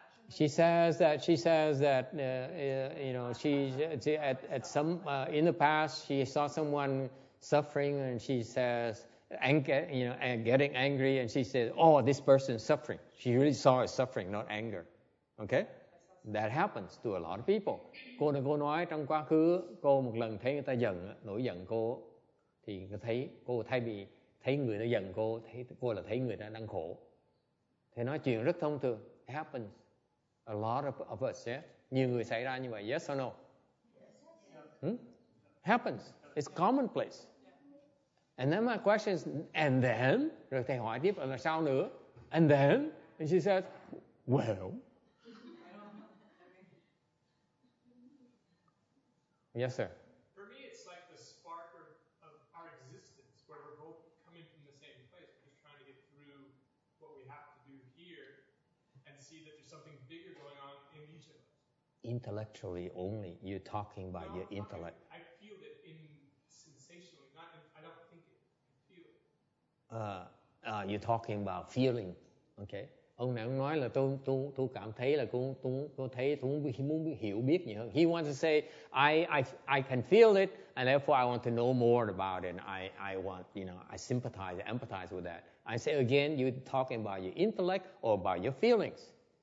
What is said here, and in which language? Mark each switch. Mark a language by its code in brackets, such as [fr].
[en] She says that in the past she saw someone suffering and she says and getting angry and she says, oh, this person is suffering. She really saw it suffering, not anger. Okay, that happens to a lot of people. [vi] Cô này cô nói trong quá khứ cô một lần thấy người ta giận, nổi giận cô thì thấy cô thay vì thấy người ta giận cô, thấy cô là thấy người ta đang khổ. Thì nói chuyện rất thông thường. [en] It happens. A lot of us, yeah? [vi] Nhiều người xảy ra như vậy, [en] yes or no? Happens. It's commonplace. And then my question is, and then? [vi] Rồi thầy hỏi tiếp, là sao nữa? [en] And then? And she says, well. Yes, sir. For me, it's like the spark of our existence, where we're both coming from the same place, just trying to get through what we have to do here, and see that there's something bigger going on in each of us. Intellectually only, you're talking by your intellect. I feel it in sensationally, not in, I don't think it, I feel it. You're talking about feeling. Okay. [vi] Ông này ông nói là tôi cảm thấy là tôi thấy tôi muốn hiểu biết nhiều hơn. [en] He wants to say I can feel it and therefore I want to know more about it. And I want, you know, I sympathize, I empathize with that. I say again, you're talking about your intellect or about your feelings.